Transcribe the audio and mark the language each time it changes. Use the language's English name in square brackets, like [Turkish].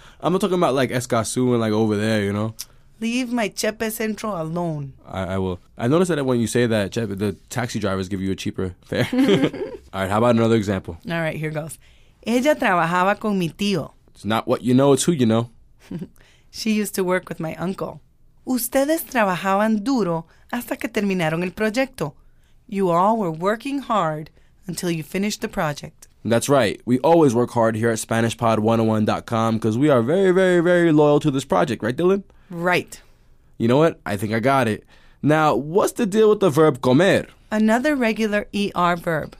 [English] I'm not talking about like Escazú and like over there, you know? Leave my Chepe Centro alone. I will. I noticed that when you say that, Chepe, the taxi drivers give you a cheaper fare. All right, how about another example? All right, here goes. [Spanish] Ella trabajaba con mi tío. [English] It's not what you know, it's who you know. She used to work with my uncle. [Spanish] Ustedes trabajaban duro hasta que terminaron el proyecto. [English] You all were working hard until you finished the project. That's right. We always work hard here at SpanishPod101.com because we are very, very, very loyal to this project. Right, Dylan? Right. You know what? I think I got it. Now, what's the deal with the verb comer? Another regular ER verb.